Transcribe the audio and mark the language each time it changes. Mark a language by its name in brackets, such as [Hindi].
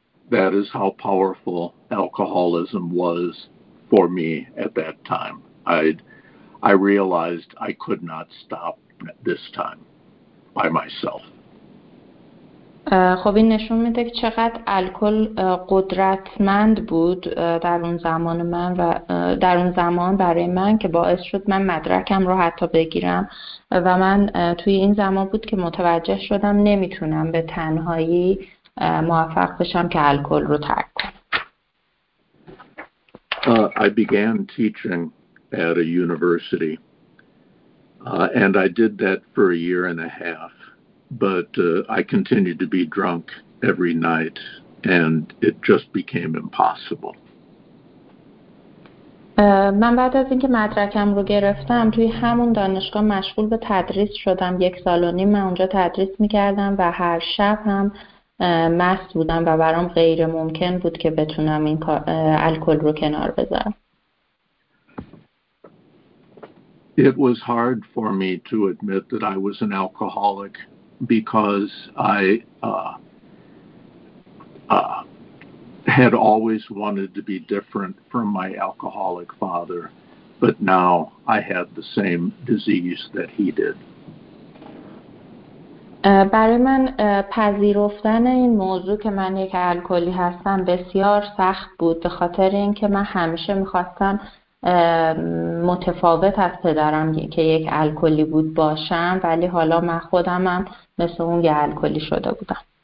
[English] That is how powerful alcoholism was for me at that time. I realized I could not stop this time by myself. [Persian] خب این نشون میده که چقدر الکل قدرتمند بود در اون زمان من و در اون زمان برای من، که باعث شد من مدرکم رو حتی بگیرم و من توی این زمان بود که متوجه شدم نمیتونم به تنهایی موفق بشم که الکل رو ترک کنم. [English] I began teaching at a university and I did that for a year and a half. But I continued to be drunk every night and it just became impossible. [Persian] من بعد از اینکه مدرکم رو گرفتم توی همون دانشگاه مشغول به تدریس شدم. یک سال و نیم من اونجا تدریس می‌کردم و هر شب هم مست بودم و برام غیر ممکن بود که بتونم این الکل رو کنار بذارم. [English] It was hard for me to admit that I was an alcoholic. Because I had always wanted to be different from my alcoholic father, but now I had the same disease that he did. [Persian] برای من پذیرفتن این موضوع که من یک الکلی هستم بسیار سخت بود، به خاطر اینکه من همیشه می‌خواستم متفاوت از پدرم که یک الکلی بود باشم، ولی حالا من خودم هم مثل اون یه الکلی شده بودم.